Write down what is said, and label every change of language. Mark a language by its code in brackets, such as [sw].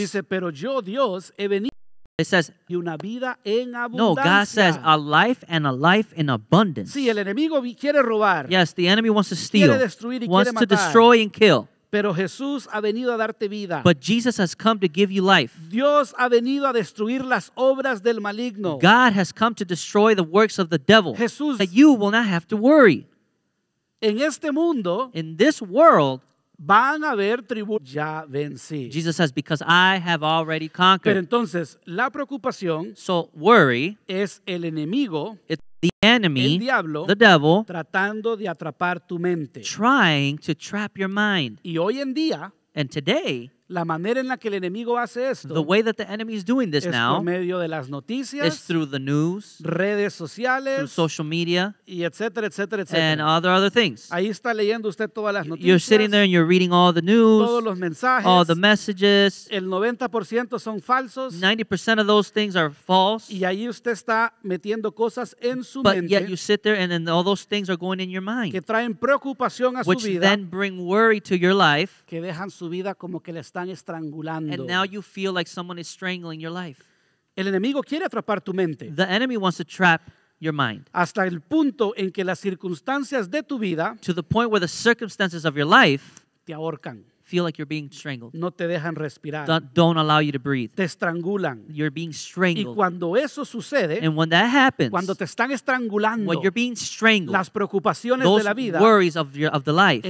[es] dice, pero yo Dios he venido. [en] It says, [es] y una vida en [en] no, God says, a life and a life in abundance. [es] Sí, el enemigo quiere robar. [en] Yes, the enemy wants to steal, [es] quiere destruir y [en] wants [es] quiere matar. [en] To destroy and kill. [es] Pero Jesús ha venido a darte vida. [en] But Jesus has come to give you life. [es] Dios ha venido a destruir las obras del maligno. [en] God has come to destroy the works of the devil. [es] Jesús, [en] that you will not have to worry. [es] En este mundo, [en] in this world, [es] van a haber tribulaciones. Ya vencí. [en] Jesus says, because I have already conquered. [es] Pero entonces, la preocupación, [en] so worry, [es] es el enemigo, [en] it's the enemy, [es] el diablo, [en] the devil, [es] tratando de atrapar tu mente, [en] trying to trap your mind. [es] Y hoy en día, [en] and today, [es] la manera en la que el enemigo hace esto, [en] the way that the enemy is doing this [es] es [en] now, [es] por medio de las noticias, [en] is through the news, [es] redes sociales, [en] through social media, [es] y etcétera, etcétera, etcétera, [en] and other things. [es] Ahí está leyendo usted todas las noticias. [en] You're sitting there and you're reading all the news, [es] todos los mensajes, [en] all the messages. [es] El 90% son falsos. [en] 90% of those things are false. [es] Y ahí usted está metiendo cosas en su [en] but [es] mente. [en] But yet you sit there and then all those things are going in your mind. [es] Que traen preocupación a su [en] which [es] vida. [en] Which then bring worry to your life. [es] Que dejan su vida como que le está. [en] And now you feel like someone is strangling your life. [es] El enemigo quiere atrapar tu mente. [en] The enemy wants to trap your mind. [es] Hasta el punto en que las circunstancias de tu vida, [en] to the point where the circumstances of your life, [es] te ahorcan. [en] Feel like you're being strangled. [es] No te dejan respirar. [en] Don't allow you to breathe. [es] Te estrangulan. [en] You're being strangled. [es] Y cuando eso sucede, [en] and when that happens, [es] cuando te están estrangulando, [en] when you're being strangled, [es] las preocupaciones [en] those [es] de la vida, [en] worries of your, of the life,